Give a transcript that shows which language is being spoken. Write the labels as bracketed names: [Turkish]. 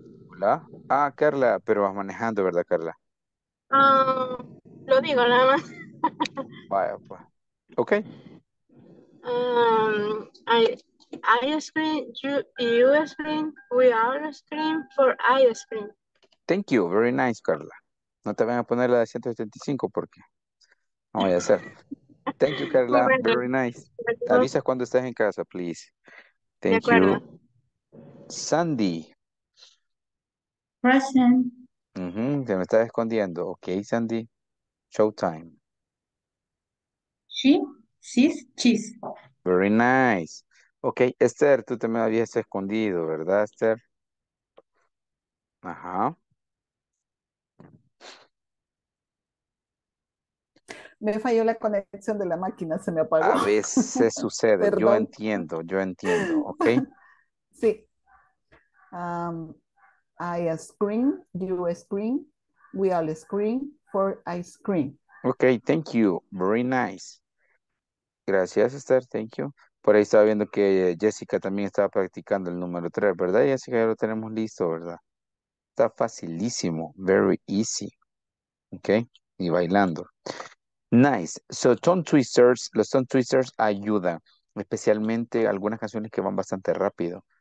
[Spanish] Hola. Ah, Carla, pero vas manejando, ¿verdad, Carla? Lo digo nada más. Vaya, pues. Okay. [English] I scream, you scream, we all scream for ice cream. Thank you, very nice, Carla. [Spanish] No te vayan a poner la de 175 porque no voy a hacer. [English] Thank you, Carla, very nice. [Spanish] Te avisas cuando estés en casa, [English] please. Thank you. Sandy. Present. [Spanish] Mm-hmm. Se me está escondiendo. Okay, Sandy. Showtime. [English] She sees cheese. Very nice. [Spanish] Okay, Esther, tú también habías escondido, ¿verdad, Esther? Ajá. Me falló la conexión de la máquina, se me apagó. A veces sucede, yo entiendo, ¿ok? Sí. [English] I scream, you scream, we all scream for ice cream. Ok, thank you, very nice. Gracias, Esther, thank you. [Spanish] Por ahí estaba viendo que Jessica también estaba practicando el número 3, ¿verdad, Jessica? Ya lo tenemos listo, ¿verdad? Está facilísimo, [English] very easy, [Spanish] ¿ok? Y bailando. Nice. So, tongue twisters, los tongue twisters ayudan, especialmente algunas canciones que van bastante rápido.